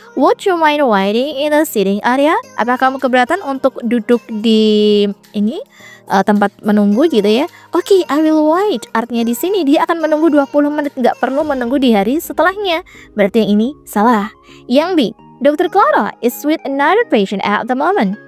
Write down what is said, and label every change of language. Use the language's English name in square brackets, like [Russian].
[English] Would you mind waiting in the sitting area? [Indonesian] Apakah kamu keberatan untuk duduk di ini tempat menunggu gitu ya? Oke, okay, [English] I will wait. [Indonesian] Artinya di sini dia akan menunggu 20 menit, nggak perlu menunggu di hari setelahnya. Berarti yang ini salah. Yang B, Dr. [English] Clara is with another patient at the moment.